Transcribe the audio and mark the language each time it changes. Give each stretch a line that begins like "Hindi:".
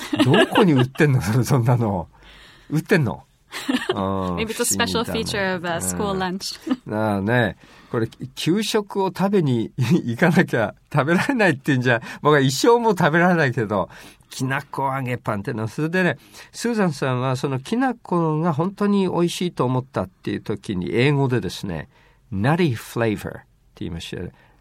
Japanese: どこに売ってんのそれ、そんなの。売ってんの?
English: Maybe it's a special feature of school lunch.
Japanese: ね、これ給食を食べに行かなきゃ食べられないっていうんじゃ、僕は一生も食べられないけど、きなこ揚げパンっていうのは、それでね、スーザンさんはそのきなこが本当に美味しいと思ったっていう時に英語でですね、nutty flavor って言いましたよね。